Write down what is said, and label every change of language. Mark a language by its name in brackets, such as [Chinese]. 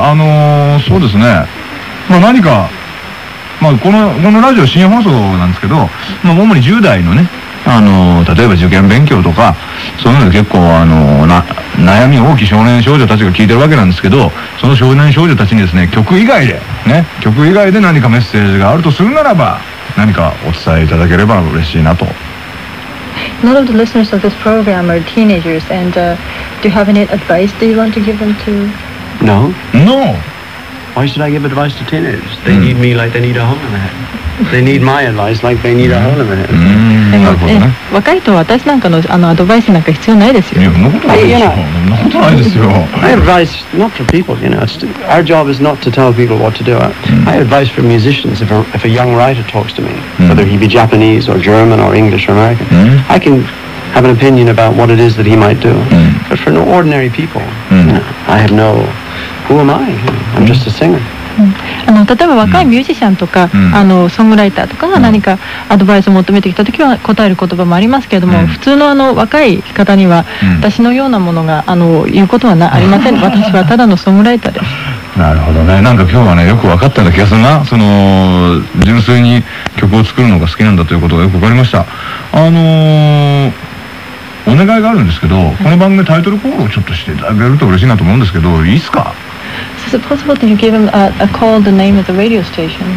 [Japanese] そうですね。まあ何か、まあこのラジオ深夜放送なんですけど、まあ主に10代のね、例えば受験勉強とか、そういうので結構悩み大きい少年少女たちが聞いてるわけなんですけど、その少年少女たちにですね、曲以外で何かメッセージがあるとするならば、何かお伝えいただければ嬉しいなと。 [English] None of the listeners of this program are teenagers, and do you have any advice that you want to give them to? No. No! Why should I give advice to teenagers? They need me like they need a hole in their head. They need my advice like they need a hole in their head. [Japanese] なるほどね。若い人は私なんかのアドバイスなんか必要ないですよ。いや、そんなことないですよ。 [English] I advise not for people, you know. Our job is not to tell people what to do. I advise for musicians. If a young writer talks to me, whether he be Japanese or German or English or American, I can have an opinion about what it is that he might do. But for ordinary people, I have no... Who am I? I'm just a singer. [Japanese] 例えば若いミュージシャンとか、ソングライターとかが何かアドバイスを求めてきたときは答える言葉もありますけれども、普通の若い方には私のようなものが言うことはありません。私はただのソングライターです。なるほどね。なんか今日はね、よく分かったような気がするな。その純粋に曲を作るのが好きなんだということがよく分かりました。お願いがあるんですけど、この番組タイトルコールをちょっとしていただけると嬉しいなと思うんですけど、いいですか？ [English] Is it possible that you give him a call the name of the radio station?